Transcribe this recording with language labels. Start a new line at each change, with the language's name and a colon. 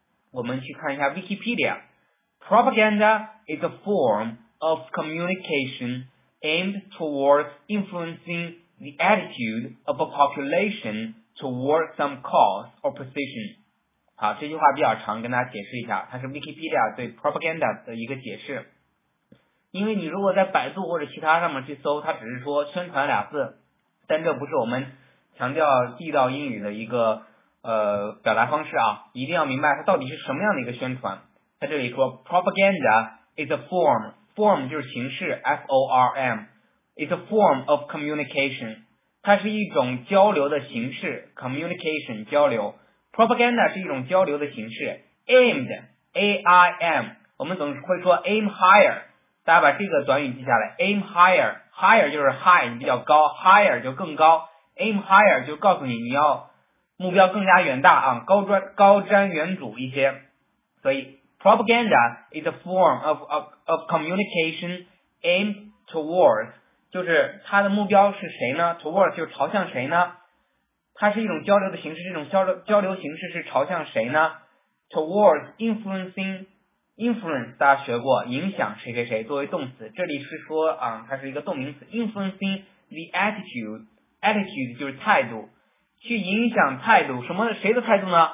Chinese: 我们去看一下 Wikipedia。
English: Propaganda is a form of communicationaimed towards influencing the attitude of a population towards some cause or position。
Chinese: 好，这句话比较长，跟大家解释一下，它是 Wikipedia 对 propaganda 的一个解释。因为你如果在百度或者其他上面去搜，它只是说宣传俩字，但这不是我们强调地道英语的一个表达方式啊，一定要明白它到底是什么样的一个宣传。它这里说
English: propaganda is a form
Chinese: 就是形式
English: F-O-R-M is a form of communication，
Chinese: 它是一种交流的形式， communication 交流， propaganda 是一种交流的形式， aimed A-I-M 我们总是会说
English: aim higher，
Chinese: 大家把这个短语记下来， aim higher， higher 就是 high 比较高， higher 就更高， aim higher 就告诉你你要目标更加远大啊，高瞻远瞩一些。
English: 所以Propaganda is a form of communication aimed towards，
Chinese: 就是它的目标是谁呢？ towards 就是朝向谁呢？它是一种交流的形式，这种交流形式是朝向谁呢？
English: towards influence
Chinese: 大家学过，影响谁谁谁，作为动词，这里是说啊，它是一个动名词，
English: influencing the attitude
Chinese: 就是态度，去影响态度，什么谁的态度呢？